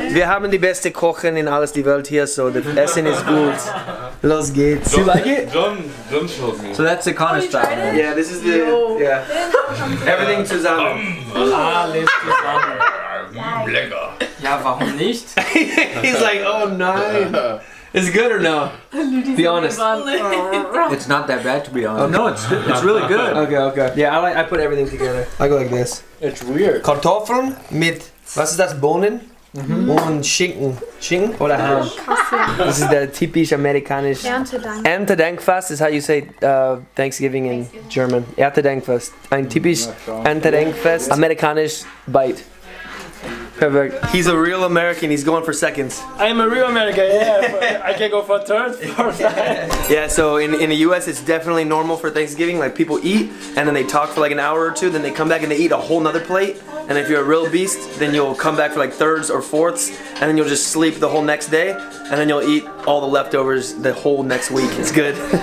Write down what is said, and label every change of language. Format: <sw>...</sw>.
<de>Wir haben die beste Kochen in alles die Welt hier,</de> <en>so the Essen is good.</en> <de>Los geht's.</de> <en>Do you like it? John showed me. So that's the Connor style. Yeah, this is the, yeah. Everything zusammen.</en> <de>Alles zusammen. Lecker. Ja, warum nicht?</de> <en>He's like,</en> <de>oh nein.</de> <en>Is it good or no? Be honest. It's not that bad, to be honest. Oh, no, it's really good. Okay. Yeah, I put everything together. I go like this. It's weird.</en> <de>Kartoffeln mit, was ist das, Bohnen? Mm-hmm. Und Schinken. Schinken oder Ham?</de> <en>This is the</en> <de>typisch amerikanisch.</de> <en>Erntedankfest is how you say Thanksgiving in German.</en> <de>Erntedankfest. Ein typisch Erntedankfest amerikanisch bite.</de> <en>Perfect. He's a real American, he's going for seconds. I'm a real American, yeah. I can go for third, fourth. Yeah, so in the US it's definitely normal for Thanksgiving. Like people eat and then they talk for like an hour or two, then they come back and they eat a whole nother plate. And if you're a real beast, then you'll come back for like thirds or fourths, and then you'll just sleep the whole next day, and then you'll eat all the leftovers the whole next week. It's good.</en>